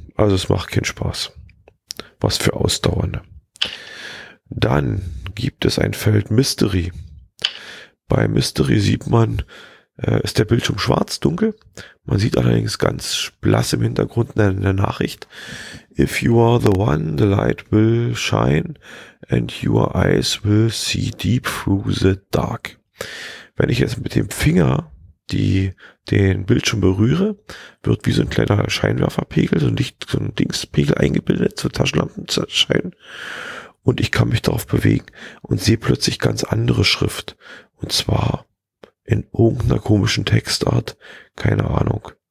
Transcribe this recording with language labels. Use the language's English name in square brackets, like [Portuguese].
[German] Also es macht keinen Spaß. Was für Ausdauernde. Dann gibt es ein Feld Mystery. Bei Mystery sieht man, ist der Bildschirm schwarz, dunkel. Man sieht allerdings ganz blass im Hintergrund eine Nachricht. [English] If you are the one, the light will shine and your eyes will see deep through the dark. [German] Wenn ich jetzt mit dem Finger den Bildschirm berühre, wird wie so ein kleiner Scheinwerferpegel, so ein Licht, so ein Dingspegel eingebildet, so Taschenlampenschein. Und ich kann mich darauf bewegen und sehe plötzlich ganz andere Schrift. Und zwar in irgendeiner komischen Textart. Keine Ahnung.